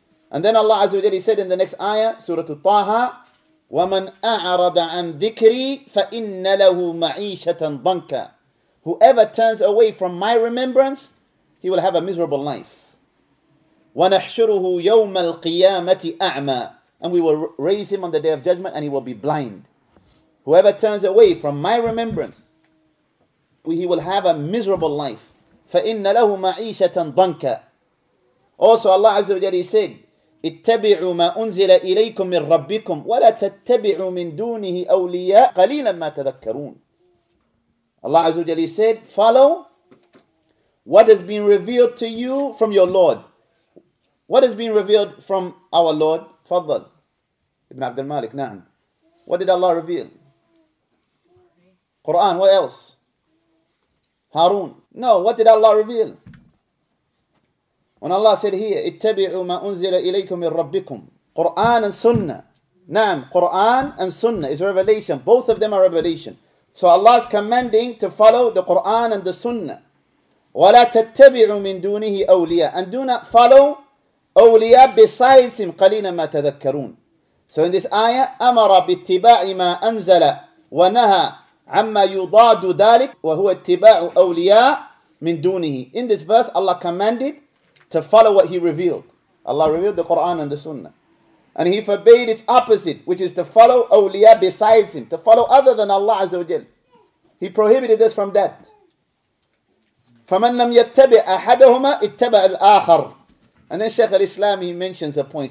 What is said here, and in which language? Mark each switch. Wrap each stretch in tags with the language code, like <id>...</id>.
<en>And then Allah Azza wa Jalla said in the next ayah, Surah Taha,</en> <ar>وَمَنْ أَعْرَضَ عَنْ ذِكْرِي فَإِنَّ لَهُ مَعِيشَةً ضَنْكَ,</ar> <en>whoever turns away from my remembrance, he will have a miserable life.</en> <ar>وَنَحْشُرُهُ يَوْمَ الْقِيَامَةِ أَعْمَى,</ar> <en>and we will raise him on the Day of Judgment and he will be blind. Whoever turns away from my remembrance, he will have a miserable life.</en> <ar>فَإِنَّ لَهُ مَعِيشَةً ضَنْكَ.</ar> <en>Also Allah Azza wa Jalla said,</en> <ar>اتَّبِعُوا مَا أُنزِلَ إِلَيْكُم مِّن رَبِّكُمْ وَلَا تَتَّبِعُوا مِن دُونِهِ أَوْلِيَاءَ قَلِيلًا مَّا تَذَكَّرُونَ.</ar> <en>Allah Azza wa Jalla said, follow what has been revealed to you from your Lord. What has been revealed from our Lord? Fadl Ibn Abd al-Malik, na'am. What did Allah reveal? Quran, what else? Harun. No, what did Allah reveal? When Allah said here,</en> <ar>اِتَّبِعُوا مَا أُنزِلَ إِلَيْكُم مِّن رَبِّكُمْ,</ar> <en>Quran and Sunnah. Naam, Quran and Sunnah is revelation. Both of them are revelation. So Allah is commanding to follow the Quran and the Sunnah.</en> <ar>وَلَا تَتَّبِعُوا مِن دُونِهِ أَوْلِيَاءَ,</ar> <en>and do not follow</en> <ar>أَوْلِيَاءَ</ar> <en>besides him,</en> <ar>قَلِيلًا مَا تَذَكَّرُونَ.</ar> <en>So in this ayah,</en> <ar>أَمَرَ بِاتِّبَاعِ مَا أَنزَلَ وَنَهَى عَمَّا يُضَادُ ذَلِكَ وَهُوَ اتِّبَاعُ أَوْلِيَاءَ مِن دُونِهِ.</ar> <en>In this verse, Allah commanded to follow what He revealed. Allah revealed the Quran and the Sunnah. And He forbade its opposite, which is to follow awliya besides Him, to follow other than Allah Azza wa Jal. He prohibited us from that.</en> <ar>فَمَنْ لَمْ يَتَّبِعْ أَحَدَهُمَا اتَّبَعَ الْآخَرُ.</ar> <en>And then Shaykh al-Islam, he mentions a point.</en>